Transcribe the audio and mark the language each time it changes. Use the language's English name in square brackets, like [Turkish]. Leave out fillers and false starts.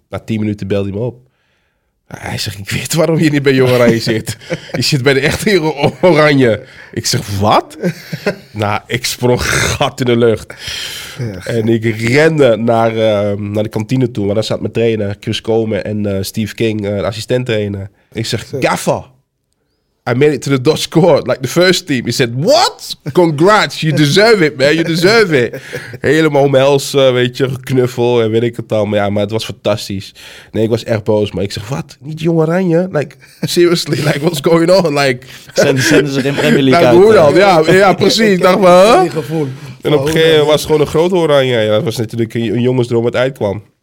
[Dutch] Na 10 minuten belde hij me op. Hij zegt, ik weet waarom je niet bij Jong Oranje zit. Je zit bij de echte Oranje. Ik zeg, wat? ik sprong gat in de lucht. En ik rende naar de kantine toe. Maar daar zat mijn trainer, Chris Komen en Steve King, de assistent trainer. Ik zeg, [English] Gaffa, I made it to the Dutch court, like the first team. He said, what? Congrats, you deserve it, man, you deserve it. [Dutch] Helemaal omhelzen, weet je, knuffel en weet ik het al. Maar het was fantastisch. Nee, ik was echt boos, maar ik zeg, wat? Niet Jong Oranje? [English] Like, seriously, like, what's going on? Like, [Dutch] zenden ze geen Premier League uit? Hoe dan? Ja, precies. Ik dacht van, die gevoel. En op een gegeven moment was het gewoon een grote Oranje. Ja, dat was natuurlijk een jongensdroom wat uitkwam.